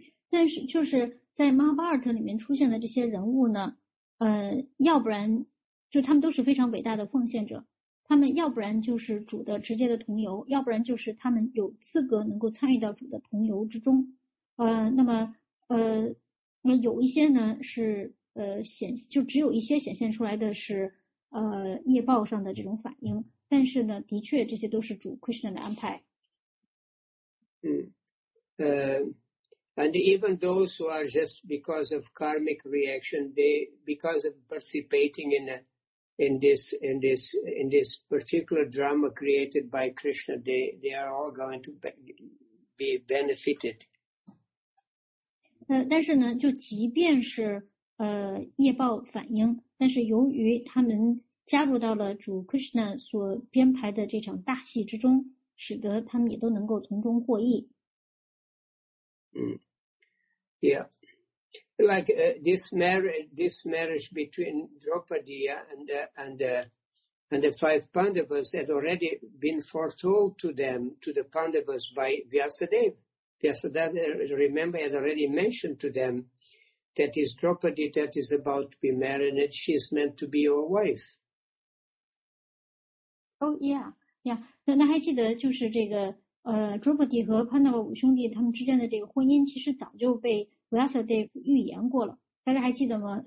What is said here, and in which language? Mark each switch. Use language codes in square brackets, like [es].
[zh] 但是就是在 Mahabharat 里面出现的这些人物呢，要不然就他们都是非常伟大的奉献者，他们要不然就是主的直接的同游，要不然就是他们有资格能够参与到主的同游之中。那么有一些呢是只有一些显现出来的是业报上的这种反应，但是呢的确这些都是主 Krishna 的安排。 [en] And even those who are just because of karmic reaction, they because of participating in this particular drama created by Krishna, they are all going to be benefited. [zh] 但是呢，就即便是业报反应，但是由于他们加入到了主 Krishna 所编排的这场大戏之中，使得他们也都能够从中获益。 [en] Yeah, like this marriage between Draupadi and the five Pandavas had already been foretold to them, to the Pandavas, by Vyasadeva. Vyasadeva, remember, had already mentioned to them that it's Draupadi that is about to be married and she's meant to be your wife. Oh, yeah. [zh] 那还记得就是这个朱普迪和潘多五兄弟他们之间的这个婚姻其实早就被 Vyasadeva 预言过了，大家还记得吗？